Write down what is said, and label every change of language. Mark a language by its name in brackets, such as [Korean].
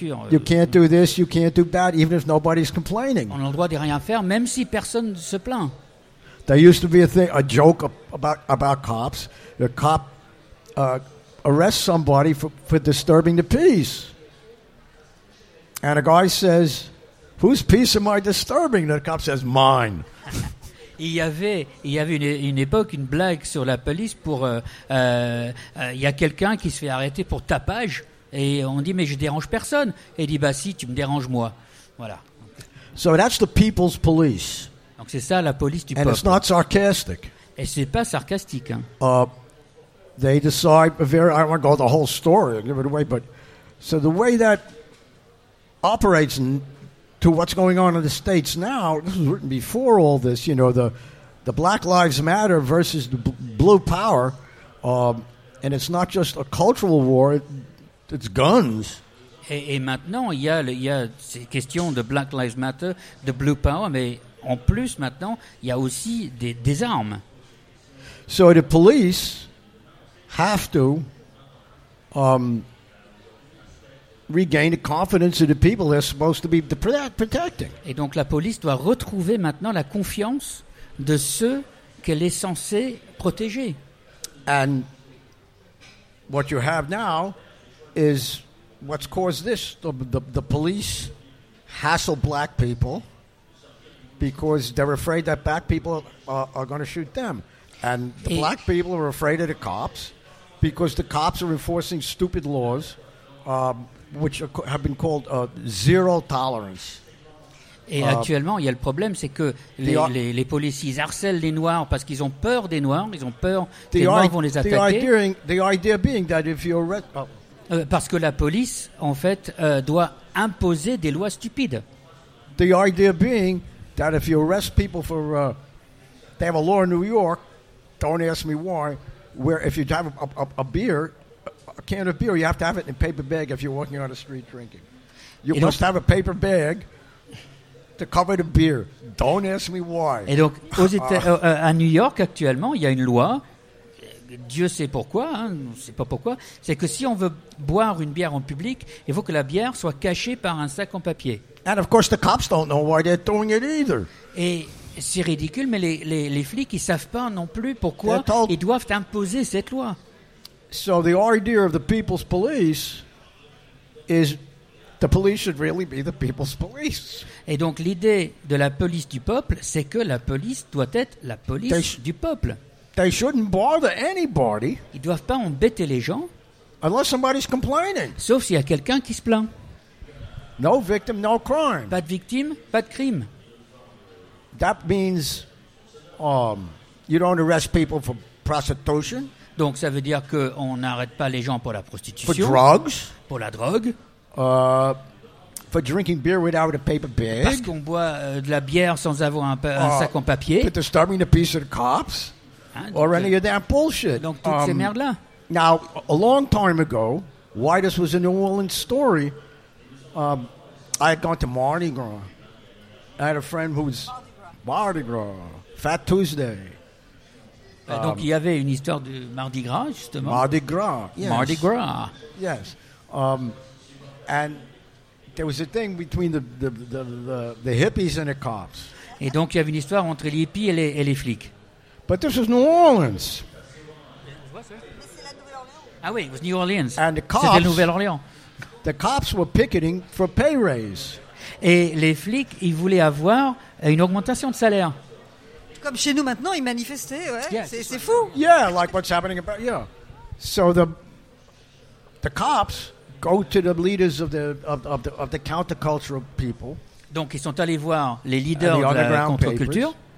[English] You can't do this, you can't do that, even if nobody's complaining. [French] On a le droit de rien faire, même si personne se plaint. [English] There used to be a joke about cops. A cop arrests somebody for disturbing the peace. And a guy says, whose peace am I disturbing? The cop says, mine. [French] Il y avait une époque, une blague sur la police pour... Il y a quelqu'un qui se fait arrêter pour tapage et on dit, mais je dérange personne. Et il dit, bah si, tu me déranges moi. Voilà. [English] So that's the people's police. [French] Donc c'est ça, la police du [English] and [French] peuple. [English] And it's not sarcastic. [French] Et c'est pas sarcastique. Hein. [English] They decide, very, I don't want to go the whole story, I'll give it away, but... So the way that operates to what's going on in the States now, this was written before all this, you know, the Black Lives Matter versus the blue power, and it's not just a cultural war, it's guns. [French] Et maintenant, il y a ces questions de Black Lives Matter, de blue power, mais en plus, maintenant, il y a aussi des armes. [English] So the police have to regain the confidence of the people they're supposed to be protecting. [French] Et donc la police doit retrouver maintenant la confiance de ceux qu'elle est censée protéger. [English] And what you have now is what's caused this. The police hassle black people because they're afraid that black people are going to shoot them. And the Et black people are afraid of the cops because the cops are enforcing stupid laws which have been called zero tolerance. [French] Et actuellement, il y a le problème, c'est que les policiers harcèlent les Noirs parce qu'ils ont peur des Noirs, ils ont peur que les Noirs vont les attaquer. [English] The idea being that if you're [French] parce que la police, en fait, doit imposer des lois stupides. [English] The idea being that if you arrest people for... they have a law in New York, don't ask me why, where if you have a beer... A can of beer, you have to have it in a paper bag if you're walking on the street drinking. You must have a paper bag to cover the beer. Don't ask me why. [French] Et donc, à New York, actuellement, il y a une loi Dieu sait pourquoi, hein, on ne sait pas pourquoi, c'est que si on veut boire une bière en public, il faut que la bière soit cachée par un sac en papier. [English] And of course the cops don't know why they're doing it either. [French] Et c'est ridicule, mais les flics, ils ne savent pas non plus pourquoi ils doivent imposer cette loi. [English] So the idea of the people's police is the police should really be the people's police. [French] Et donc l'idée de la police du peuple, c'est que la police doit être la police du peuple. [English] They shouldn't bother anybody. [French] Ils ne doivent pas embêter les gens. [English] Unless somebody's complaining. [French] Sauf s'il y a quelqu'un qui se plaint. [English] No victim, no crime. [French] Pas de victime, pas de crime. [English] That means you don't arrest people for prostitution. [French] Donc ça veut dire que on n'arrête pas les gens pour la prostitution. [English] For drugs. [French] Pour la drogue. [English] For drinking beer without a paper bag. [French] Parce qu'on boit de la bière sans avoir un sac en papier. [English] For disturbing the peace of the cops. Hein, or any of that bullshit. [French] Donc toutes ces merdes-là. [English] Now, a long time ago, why this was a New Orleans story, I had gone to Mardi Gras. I had a friend who's Mardi Gras, Fat Tuesday. [French] Donc il y avait une histoire de Mardi Gras, justement. [English] Mardi Gras, yes. Mardi Gras. Yes. And there was a thing between the hippies and the cops. [French] Et donc il y avait une histoire entre les hippies et les flics. [English] But this was New Orleans. [French] Ah oui, [English] it was New Orleans. And the cops, [French] c'était Nouvelle-Orléans. [English] The cops were picketing for pay raise. [French] Et les flics, ils voulaient avoir une augmentation de salaire. Comme chez nous maintenant, ils manifestaient, ouais. Yes. C'est fou. [English] Yeah, like what's happening about, yeah. So the cops go to the leaders of the countercultural people. [French] Donc ils sont allés voir les leaders de la contre-culture.